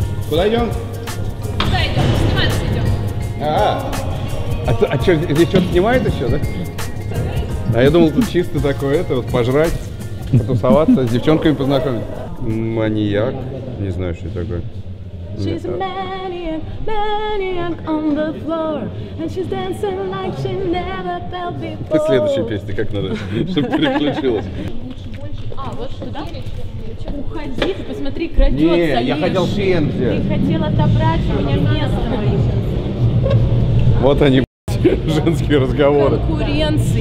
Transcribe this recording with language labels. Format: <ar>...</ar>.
<ru>Куда идем? Куда идем? Сниматься идем. А что, здесь что-то снимают еще, да? А я думал, тут чисто такое, это вот пожрать, потусоваться, с девчонками познакомиться. Маньяк, не знаю, что это такое.</ru> <en>She's a maniac, maniac on the floor. And she's dancing like she never felt before.</en> <ru>Ты следующей песни как надо, чтобы переключилась. А, вот сюда? Уходи, ты посмотри, крадется. Нет, я хотел фенки. Ты хотел отобрать у меня место мое. Вот они, женские разговоры. Конкуренция,</ru>